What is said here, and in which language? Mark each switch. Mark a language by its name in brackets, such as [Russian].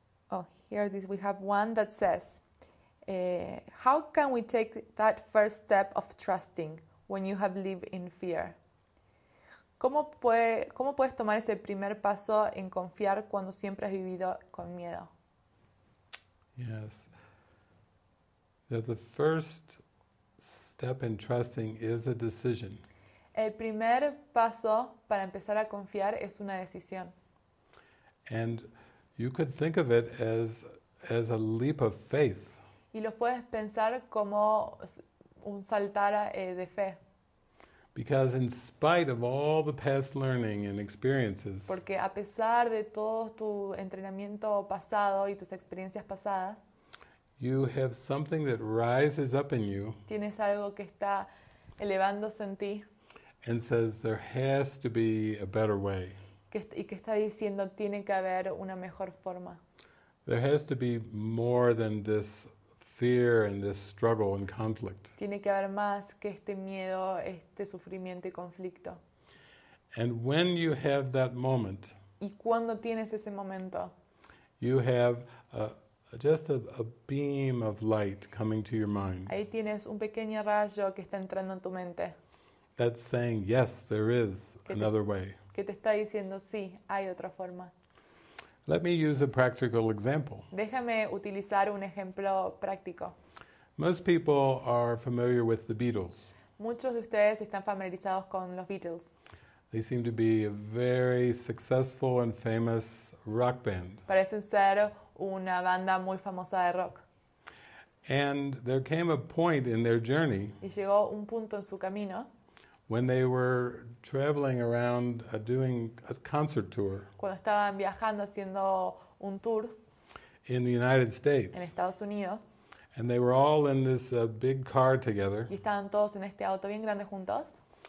[English] Oh, here this we have one that says, how can we take that first step of trusting when you have lived in fear? [Spanish] ¿Cómo puedes tomar ese primer paso en confiar cuando siempre has vivido con miedo? [English] Yes. The first step in trusting is a decision. [Spanish] El primer paso para empezar a confiar es una decisión. [English] And you could think of it as a leap of faith. [Spanish] Y lo puedes pensar como un saltar de fe. [English] Because in spite of all the past learning and experiences, [Spanish] porque a pesar de todo tu entrenamiento pasado y tus experiencias pasadas, [English] you have something that rises up in you, [Spanish] tienes algo que está elevándose en ti, [English] and says there has to be a better way, [Spanish] y que está diciendo tiene que haber una mejor forma. [English] There has to be more than this fear and this struggle and conflict. [Spanish] Tiene que haber más que este miedo, este sufrimiento y conflicto. [English] And when you have that moment, [Spanish] y cuando tienes ese momento, [English] you have just a beam of light coming to your mind. [Spanish] Ahí tienes un pequeño rayo que está entrando en tu mente. [English] That's saying, yes, there is another way. [Spanish] Que te está diciendo, sí, hay otra forma. [English] Let me use a practical example. [Spanish] Déjame utilizar un ejemplo práctico. [English] Most people are familiar with the Beatles. [Spanish] Muchos de ustedes están familiarizados con los Beatles. [English] They seem to be a very successful and famous rock band. [Spanish] Parecen ser una banda muy famosa de rock. [English] And there came a point in their journey. [Spanish] Y llegó un punto en su camino. [English] When they were traveling around doing a concert tour. [Spanish] Cuando estaban viajando haciendo un tour. [English] In the United States. [Spanish] En Estados Unidos. [English] And they were all in this big car together. [Spanish] Y estaban todos en este auto bien grande juntos.